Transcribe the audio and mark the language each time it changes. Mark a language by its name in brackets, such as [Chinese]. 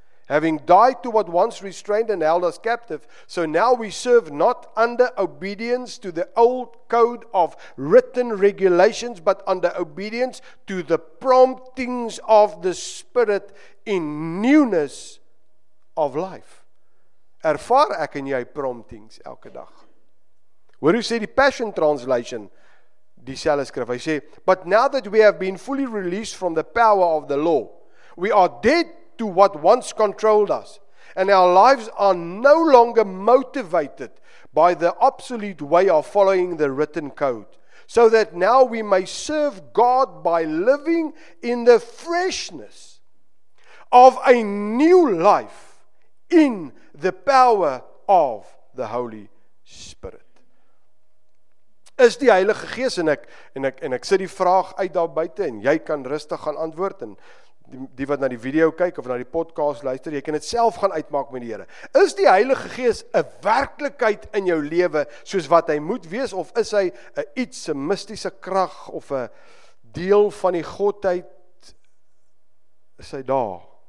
[English] having died to what once restrained and held us captive, so now we serve not under obedience to the old code of written regulations, but under obedience to the promptings of the Spirit in newness of life. [Afrikaans] Ervaar ek en jy promptings elke dag. Hoor hoe sê die Passion Translation, die selfe skrif, hy sê, [English] but now that we have been fully released from the power of the law, we are dead to what once controlled us, and our lives are no longer motivated by the obsolete way of following the written code, so that now we may serve God by living in the freshness of a new life in the power of the Holy Spirit. [Afrikaans] Is die Heilige Gees, en ek sit die vraag uit daar buiten, en jy kan rustig gaan antwoord, en die wat na die video kyk of na die podcast luister, jy kan het self gaan uitmaak met die Here. Is die Heilige Gees 'n werklikheid in jou lewe soos wat hy moet wees, of is hy 'n iets, 'n mystiese krag of 'n deel van die Godheid? Is hy daar?